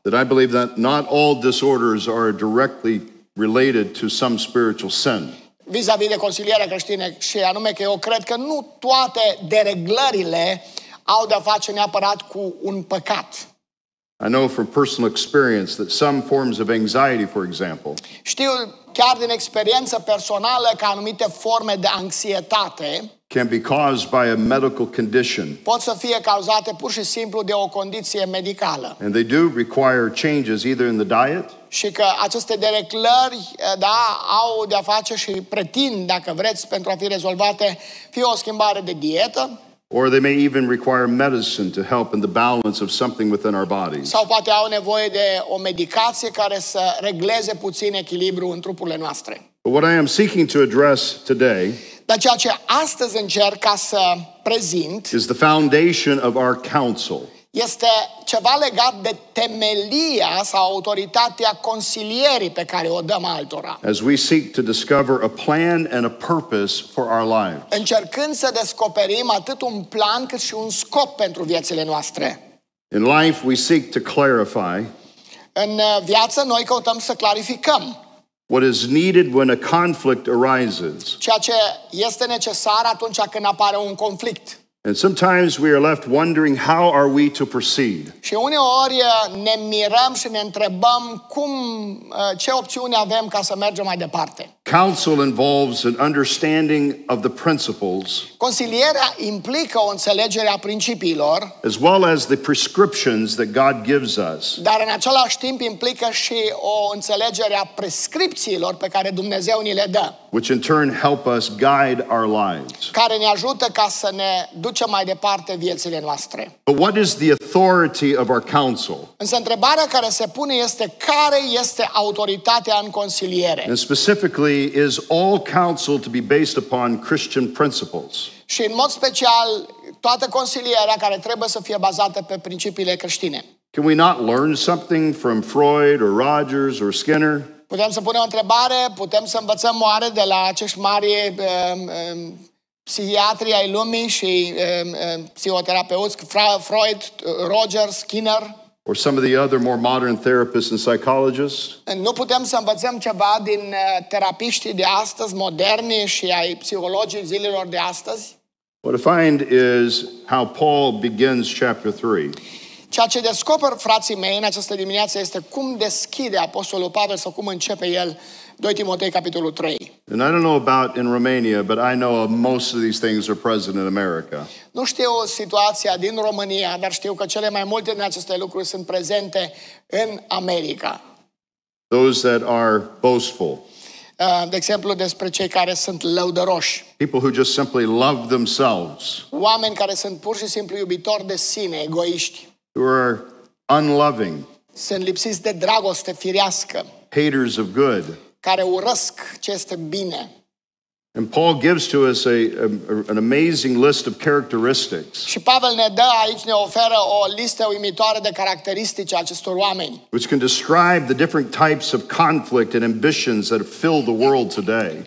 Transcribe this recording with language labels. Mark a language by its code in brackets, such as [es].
[en] That I believe that not all disorders are directly related to some spiritual sin. [ro] Vis-a-vis de consilierea creștină, și anume că eu cred că nu toate dereglările au de-a face neapărat cu un păcat. [en] I know from personal experience that some forms of anxiety, for example. [ro] Știu chiar din experiență personală că anumite forme de anxietate [en] can be caused by a medical condition. [ro] Pot să fie cauzate pur și simplu de o condiție medicală. [en] And they do require changes either in the diet. [ro] Și că aceste dereglări, da, au de a face și pretind, dacă vreți, pentru a fi rezolvate, fie o schimbare de dietă. [en] Or they may even require medicine to help in the balance of something within our bodies. [ro] Sau poate au nevoie de o medicație care să regleze puțin echilibru în trupurile noastre. [en] But what I am seeking to address today, [ro] dar ceea ce astăzi încerc ca să prezint, [en] is the foundation of our council. [ro] Este ceva legat de temelia sau autoritatea consilierii pe care o dăm altora. [en] As we seek to discover a plan and a purpose for our lives. [ro] Încercând să descoperim atât un plan cât și un scop pentru viețile noastre. [en] In life we seek to clarify. [ro] În viață noi căutăm să clarificăm. [en] What is needed when a conflict arises. [ro] Ceea ce este necesar atunci când apare un conflict. [en] And sometimes we are left wondering how are we to proceed. [ro] Și uneori ne mirăm și ne întrebăm cum, ce opțiuni avem ca să mergem mai departe. [en] Counsel involves an understanding of the principles. [ro] Consilierea implică o înțelegere a principiilor. [en] As well as the prescriptions that God gives us. [ro] Dar în același timp implică și o înțelegere a prescripțiilor pe care Dumnezeu ni le dă. [en] Which in turn help us guide our lives. [ro] Care ne ajută ca să ne ducem mai departe viețile noastre. [en] But what is the authority of our counsel? [ro] Însă întrebarea care se pune este care este autoritatea în consiliere? [en] And specifically, is all counsel to be based upon Christian principles? [ro] Și în mod special, toată consilierea care trebuie să fie bazată pe principiile creștine. [en] Can we not learn something from Freud or Rogers or Skinner? [ro] Putem să punem o întrebare, putem să învățăm oare de la acești mari psihiatrii ai lumii și psihoterapeuți, Freud, Rogers, Skinner. [en] Or some of the other more modern therapists and psychologists. [ro] Nu putem să învățăm ceva din terapiștii de astăzi, moderni și ai psihologii zilelor de astăzi. [en] What I find is how Paul begins chapter 3. [ro] Ceea ce descoper, frații mei, în această dimineață este cum deschide Apostolul Pavel sau cum începe el 2 Timotei capitolul 3. [en] And I don't know about in Romania, but I know most of these things are present in America. [ro] Nu știu situația din România, dar știu că cele mai multe din aceste lucruri sunt prezente în America. [en] Those that are boastful. [ro] De exemplu, despre cei care sunt lăudăroși. [en] People who just simply love themselves. [ro] Oameni care sunt pur și simplu iubitori de sine, egoiști. [en] Who are unloving. [ro] Sunt lipsiți de dragoste firească. [en] Haters of good. [ro] Care urăsc ce este bine. [en] And Paul gives to us an amazing list of characteristics. [ro] Și Pavel ne dă aici, ne oferă o listă uimitoare de caracteristici acestor oameni. [en] Which can describe the different types of conflict and ambitions that fill the world today.